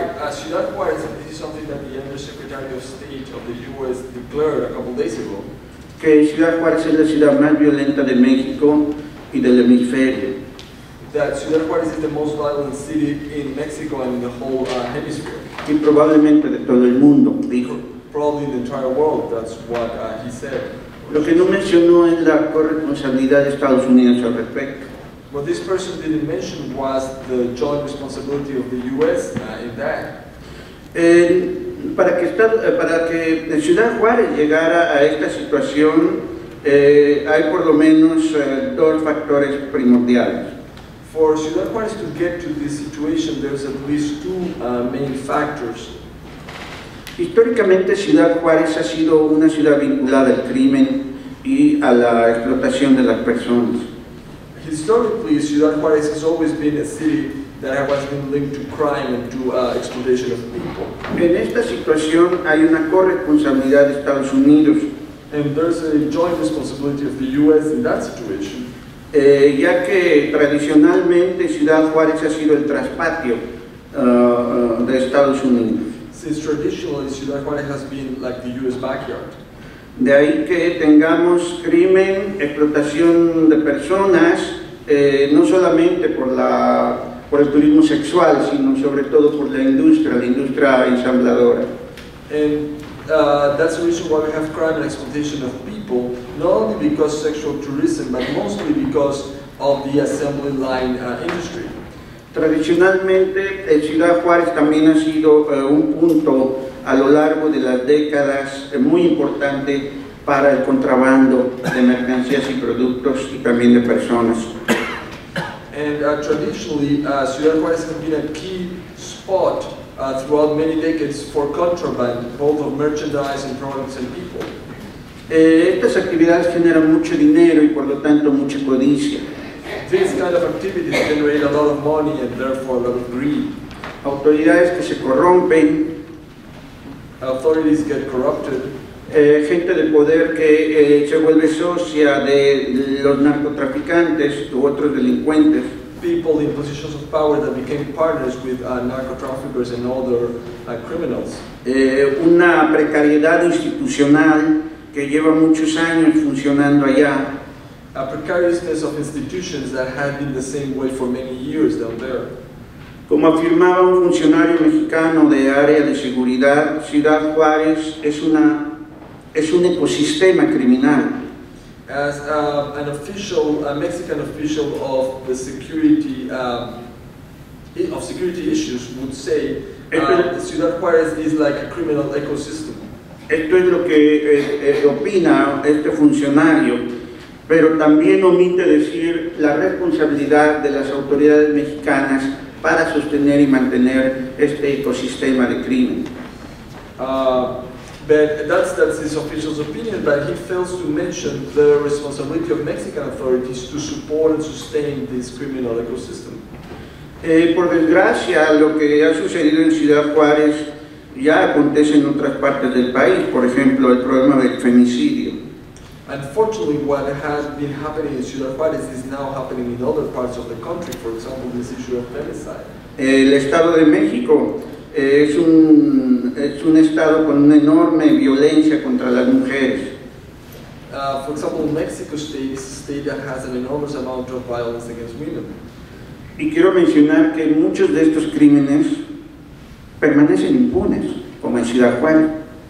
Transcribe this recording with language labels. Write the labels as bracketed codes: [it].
[en] Ciudad Juárez, this is something that the Undersecretary of State of the U.S. declared a couple days ago. [es] Que Ciudad Juárez es la ciudad más violenta de México y del hemisferio. [en] That Ciudad Juárez is the most violent city in Mexico and in the whole hemisphere. [es] Y y probablemente de todo el mundo, dijo. [en] Probably the entire world, that's what he said. [es] Lo que no mencionó es la corresponsabilidad de Estados Unidos al respecto. [en] What this person didn't mention was the joint responsibility of the U.S. In that. [es] Para que Ciudad Juárez llegara a esta situación, hay por lo menos dos factores primordiales. [en] For Ciudad Juárez to get to this situation, there's at least two main factors. [es] Históricamente, Ciudad Juárez ha sido una ciudad vinculada al crimen y a la explotación de las personas. [en] Historically, Ciudad Juárez has always been a city that has been linked to crime and to exploitation of people. [es] En esta situación hay una corresponsabilidad de Estados Unidos. [en] And there's a joint responsibility of the U.S. in that situation. [es] Ya que tradicionalmente Ciudad Juárez ha sido el traspatio de Estados Unidos. [en] Since traditionally Ciudad Juárez has been like the U.S. backyard. [es] De ahí que tengamos crimen, explotación de personas, no solamente por el turismo sexual, sino sobre todo por la industria ensambladora. [en] And that's the reason why we have crime and exploitation of people, not only because sexual tourism, but mostly because of the assembly line industry. [es] Tradicionalmente, Ciudad Juárez también ha sido un punto a lo largo de las décadas muy importante para el contrabando de mercancías y productos y también de personas. [en] And traditionally, Ciudad Juárez has been a key spot throughout many decades for contraband, both of merchandise and products and people. [es] Estas actividades generan mucho dinero y por lo tanto mucha codicia. [en] These kind of activities generate a lot of money and therefore a lot of greed. [es] Autoridades que se corrompen. [en] Authorities get corrupted. [es] Gente de poder que se vuelve socia de los narcotraficantes u otros delincuentes. [en] People in positions of power that became partners with narcotraffickers and other criminals. [es] Una precariedad institucional que lleva muchos años funcionando allá. [en] A precariousness of institutions that had been the same way for many years down there. [es] Como afirmaba un funcionario mexicano de área de seguridad, Ciudad Juárez es un ecosistema criminal. [en] As a Mexican official of the security of security issues would say, Ciudad Juárez is like a criminal ecosystem. [es] Esto es lo que opina este funcionario. Pero también omite decir la responsabilidad de las autoridades mexicanas para sostener y mantener este ecosistema de crimen. [en] But that's his official opinion, but he fails to mention the responsibility of Mexican authorities to support and sustain this criminal ecosystem. [es] Por desgracia, lo que ha sucedido en Ciudad Juárez ya acontece en otras partes del país, por ejemplo, el problema del femicidio. [en] Unfortunately, what has been happening in Ciudad Juárez is now happening in other parts of the country, for example, this issue of femicide. [es] El Estado de México es un estado con una enorme violencia contra las mujeres. [en] For example, Mexico State is a state that has an enormous amount of violence against women. [es] Y quiero mencionar que muchos de estos crímenes permanecen impunes, como en Ciudad Juárez.